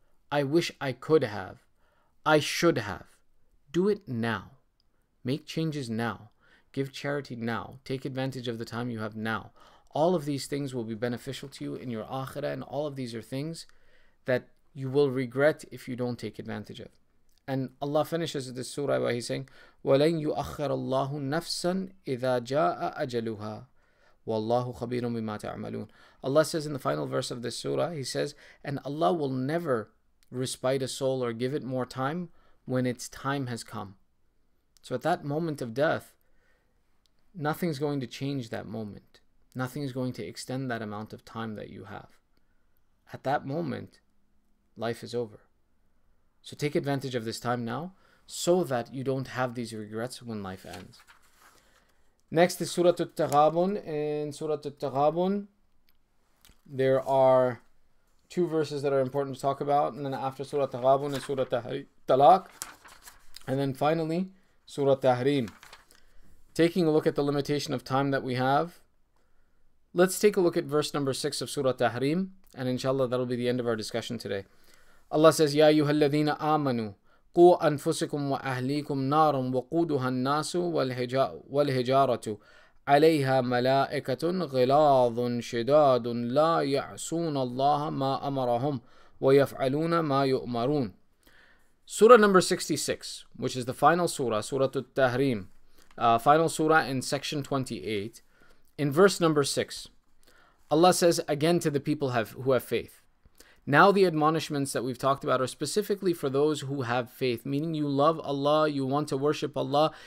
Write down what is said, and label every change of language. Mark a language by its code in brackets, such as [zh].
[en] I wish I could have. I should have. Do it now. Make changes now. Give charity now. Take advantage of the time you have now. All of these things will be beneficial to you in your akhirah, and all of these are things that you will regret if you don't take advantage of. And Allah finishes this surah by saying, [ar] وَلَنْ يُؤَخَّرَ اللَّهُ نَفْسًا إِذَا جَاءَ أَجَلُهَا وَاللَّهُ خَبِيرٌ بِمَا تَعْمَلُونَ. [en] Allah says in the final verse of this surah, He says, and Allah will never respite a soul or give it more time when its time has come. So at that moment of death, nothing's going to change that moment. Nothing's going to extend that amount of time that you have. At that moment, life is over. So take advantage of this time now so that you don't have these regrets when life ends. Next is Surah At-Taghabun. In Surah At-Taghabun, there are two verses that are important to talk about, and then after Surah At-Taghabun is Surah At-Talaq, and then finally Surah At-Tahrim. Taking a look at the limitation of time that we have, let's take a look at verse number 6 of Surah At-Tahrim, and inshallah that'll be the end of our discussion today. Allah says, [ar] Ya ayyuhal ladhina amanu, قو أنفسكم وأهليكم نار وقودها الناس والهجارة عليها ملائكة غلاظ شداد لا يعصون الله ما أمرهم ويفعلون ما يؤمرون. [en] Surah number 66, which is the final surah, Surah At-Tahrim, final surah in section 28, in verse number 6, Allah says again to the people who have faith. Now the admonishments that we've talked about are specifically for those who have faith, meaning you love Allah, you want to worship Allah.